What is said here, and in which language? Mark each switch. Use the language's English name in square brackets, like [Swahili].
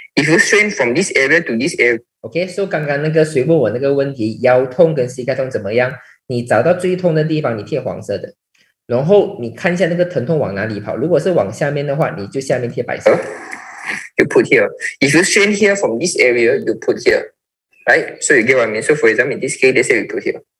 [English] If you strain from this area to this area. Okay, so [Chinese] 刚刚那个谁问我那个问题，腰痛跟膝盖痛怎么样？你找到最痛的地方，你贴黄色的，然后你看一下那个疼痛往哪里跑。如果是往下面的话，你就下面贴白色。 [English] You put here. If you strain here from this area, you put here. Right? So you get what I mean. So for example, in this case, let's say you put here.